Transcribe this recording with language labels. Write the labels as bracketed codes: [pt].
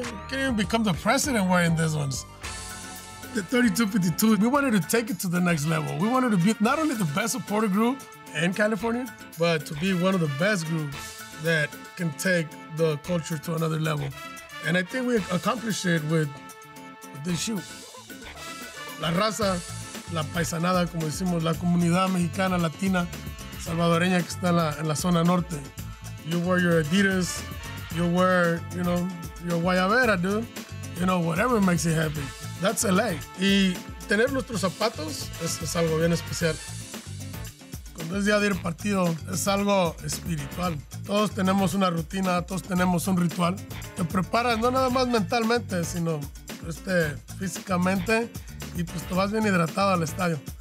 [en] You can even become the president wearing these ones. The 3252, we wanted to take it to the next level. We wanted to be not only the best supporter group in California, but to be one of the best groups that can take the culture to another level. And I think we accomplished it with this shoe. [es] La raza, la paisanada, como decimos, la comunidad mexicana, latina, salvadoreña que está en la zona norte. [en] You wear your Adidas, you wear, you know, your guayabera, dude. You know, whatever makes you happy. That's LA. [es] Y tener nuestros zapatos es algo bien especial. Cuando es día de ir partido, es algo espiritual. Todos tenemos una rutina, todos tenemos un ritual. Te preparas no nada más mentalmente, sino físicamente, y pues te vas bien hidratado al estadio.